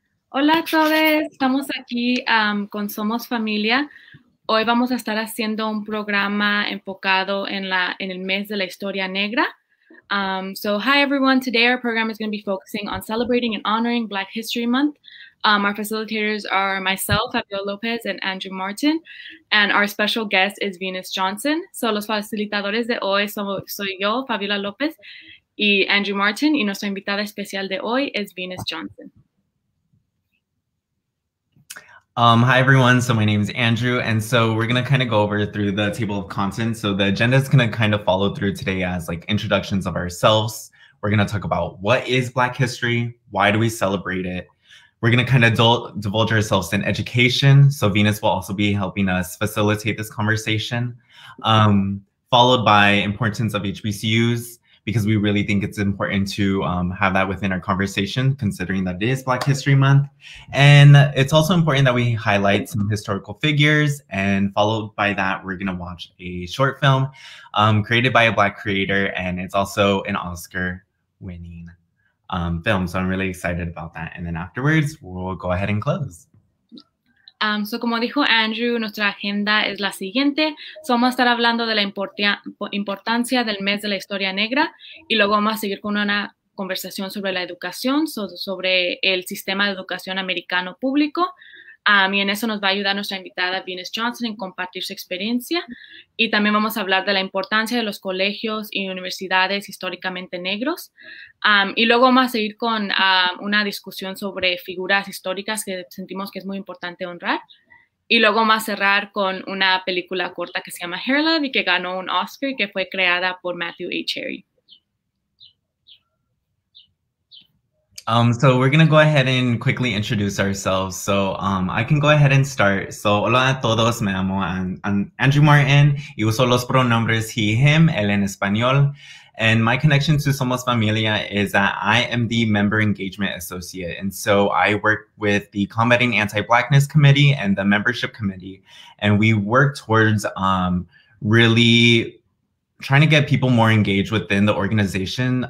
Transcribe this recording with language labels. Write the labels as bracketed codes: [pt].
[es] Hola a todos, estamos aquí con Somos Familia. Hoy vamos a estar haciendo un programa enfocado en el mes de la historia negra. [en] So, hi everyone, today our program is going to be focusing on celebrating and honoring Black History Month. Our facilitators are myself, Fabiola López, and Andrew Martin, and our special guest is Venus Johnson. [es] So, los facilitadores de hoy soy yo, Fabiola López, y Andrew Martin, y nuestra invitada especial de hoy es Venus Johnson. [en] Hi everyone. So my name is Andrew, and so we're gonna kind of go over through the table of contents. So the agenda is gonna kind of follow through today as like introductions of ourselves. We're gonna talk about what is Black history, why do we celebrate it. We're gonna kind of divulge ourselves in education. So Venus will also be helping us facilitate this conversation, followed by importance of HBCUs because we really think it's important to have that within our conversation, considering that it is Black History Month. And it's also important that we highlight some historical figures. And followed by that, we're gonna watch a short film created by a Black creator, and it's also an Oscar-winning film. So I'm really excited about that. And then afterwards, we'll go ahead and close. [es] So, como dijo Andrew, nuestra agenda es la siguiente. So, vamos a estar hablando de la importancia del mes de la historia negra y luego vamos a seguir con una conversación sobre la educación, sobre el sistema de educación americano público. Y en eso nos va a ayudar nuestra invitada Venus Johnson en compartir su experiencia. Y también vamos a hablar de la importancia de los colegios y universidades históricamente negros. Y luego vamos a seguir con una discusión sobre figuras históricas que sentimos que es muy importante honrar. Y luego vamos a cerrar con una película corta que se llama Hair Love y que ganó un Oscar y que fue creada por Matthew A. Cherry. [en] So we're going to go ahead and quickly introduce ourselves. So I can go ahead and start. So [es] hola a todos, me llamo [en] Andrew Martin. [es] Y uso los pronombres [en] he, him, [es] él en español. [en] And my connection to Somos Familia is that I am the Member Engagement Associate. And so I work with the Combating Anti-Blackness Committee and the Membership Committee. And we work towards really trying to get people more engaged within the organization.